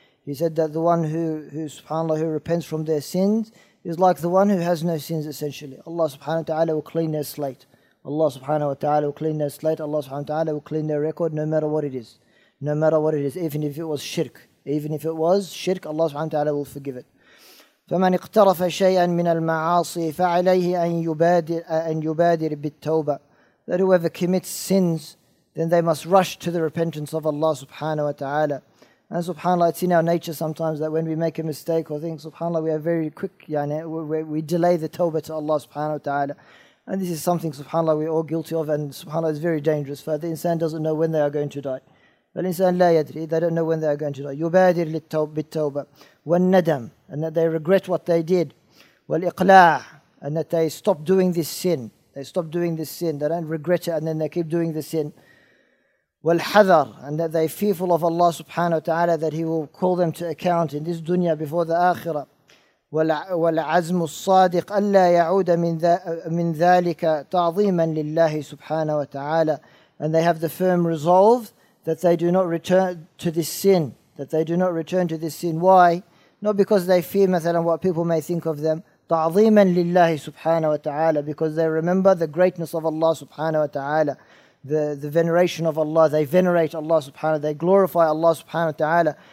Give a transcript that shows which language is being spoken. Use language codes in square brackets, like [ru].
[en] He said that the one who subhanAllah, who repents from their sins is like the one who has no sins, essentially. Allah subhanahu wa ta'ala will clean their slate. Allah subhanahu wa ta'ala will clean their slate. Allah subhanahu wa ta'ala will clean their record, no matter what it is. No matter what it is, even if it was shirk. Even if it was shirk, Allah subhanahu wa ta'ala will forgive it. [ar] فمن اقترف شيئا من المعاصي فعليه أن يبادر بالتوبة. [en] That whoever commits sins, then they must rush to the repentance of Allah subhanahu wa ta'ala. And subhanAllah, it's in our nature sometimes that when we make a mistake or think, subhanAllah, we are very quick, يعني, we delay the tawbah to Allah subhanahu wa ta'ala. And this is something, subhanAllah, we're all guilty of, and subhanAllah, is very dangerous, for the insan doesn't know when they are going to die. [ar] فالإنسان لا يدري. [en] They don't know when they are going to die. [ar] يبادر بالتوبة والندم. [en] And that they regret what they did. [ar] والإقلاع. [en] And that they stop doing this sin. They stop doing this sin. They don't regret it and then they keep doing the sin. [ar] والحذر. [en] And that they fearful of Allah subhanahu wa ta'ala that He will call them to account in this dunya before the akhirah. [ar] والعزم الصادق ألا يعود من ذلك تعظيما لله سبحانه وتعالى. [en] And they have the firm resolve that they do not return to this sin. That they do not return to this sin. Why? Not because they fear, مثلاً, what people may think of them. [ar] تَعْظِيمًا لِلَّهِ سُبْحَانَهُ وَتَعَالَى. [en] Because they remember the greatness of Allah subhanahu wa ta'ala. the veneration of Allah. They venerate Allah subhanahu wa ta'ala. They glorify Allah subhanahu wa ta'ala.